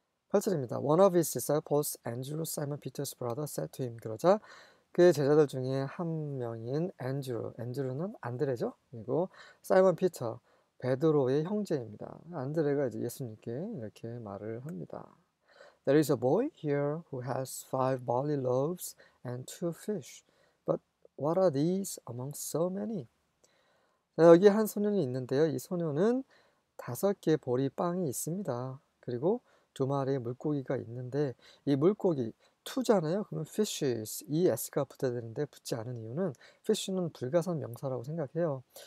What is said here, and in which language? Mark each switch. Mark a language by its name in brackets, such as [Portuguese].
[Korean] 8절입니다. [English] One of his disciples, Andrew, Simon Peter's brother, said to him. [Korean] 그러자 그의 제자들 중에 한 명인 앤드류, 앤드류는 안드레죠. 그리고 사이먼 피터, 베드로의 형제입니다. 안드레가 이제 예수님께 이렇게 말을 합니다. [English] There is a boy here who has five barley loaves and two fish. What are these among so many? [Korean] 자, 여기 한 소년이 있는데요. 이 소년은 다섯 개 보리 빵이 있습니다. 그리고 두 마리의 물고기가 있는데, 이 물고기, 투잖아요. 그러면 fishes, es가 붙어야 되는데 붙지 않은 이유는 fish는 불가사 명사라고 생각해요.